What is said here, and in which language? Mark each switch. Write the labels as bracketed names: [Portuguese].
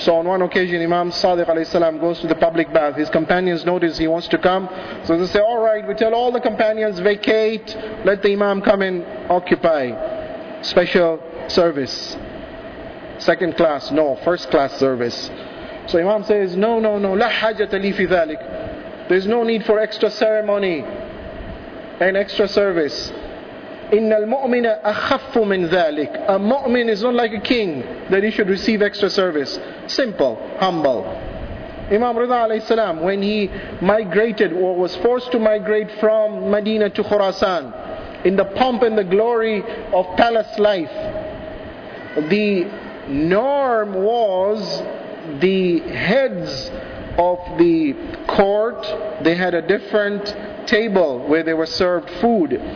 [English] So on one occasion, Imam Sadiq alayhi salam goes to the public bath. His companions notice he wants to come. So they say, alright, we tell all the companions, vacate, let the Imam come and occupy. Special service. Second class, no, first class service. So Imam says, no, [Arabic] لا حاجة لي في ذلك. [English] There's no need for extra ceremony and extra service. [Arabic] إن المؤمن أخف من ذلك. [English] A mu'min is not like a king that he should receive extra service. Simple, humble. Imam Ridha alayhi salam, when he migrated or was forced to migrate from Medina to Khurasan, in the pomp and the glory of palace life, the norm was the heads of the court, they had a different table where they were served food.